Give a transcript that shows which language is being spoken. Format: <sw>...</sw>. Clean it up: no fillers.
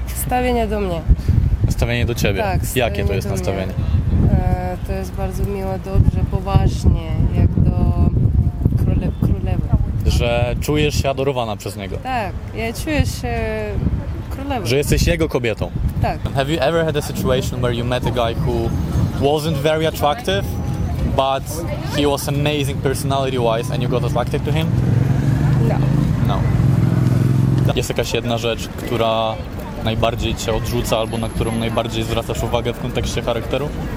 <pl>Nastawienie do mnie. Nastawienie do ciebie. Tak, jakie to jest nastawienie? To jest bardzo miłe, dobrze, poważnie, jak do królewy. Że czujesz się adorowana przez niego. Tak, ja czuję się królewą. Że jesteś jego kobietą. Tak.</pl> <en>Have you ever had a situation where you met a guy who wasn't very attractive, but he was amazing personality wise and you got attracted to him? No. No.</en> <pl>Jest jakaś jedna rzecz, która najbardziej cię odrzuca, albo na którą najbardziej zwracasz uwagę w kontekście charakteru?</pl>